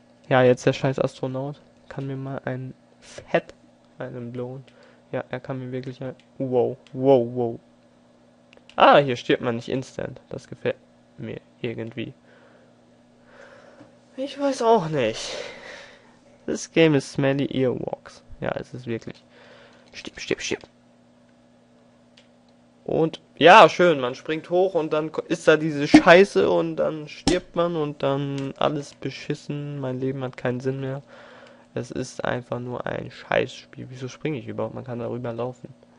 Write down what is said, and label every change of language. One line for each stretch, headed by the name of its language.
German: Ja, jetzt der scheiß Astronaut. Kann mir mal ein Fett einen Blown. Ja, er kann mir wirklich ein. Wow, wow, wow. Ah, hier stirbt man nicht instant. Das gefällt mir irgendwie. Ich weiß auch nicht.
English: This game is smelly earwax.
German: Ja, es ist wirklich. Stirb, stirb, stirb. Und ja, schön, man springt hoch und dann ist da diese Scheiße und dann stirbt man und dann alles beschissen, mein Leben hat keinen Sinn mehr. Es ist einfach nur ein Scheißspiel. Wieso springe ich überhaupt? Man kann darüber laufen.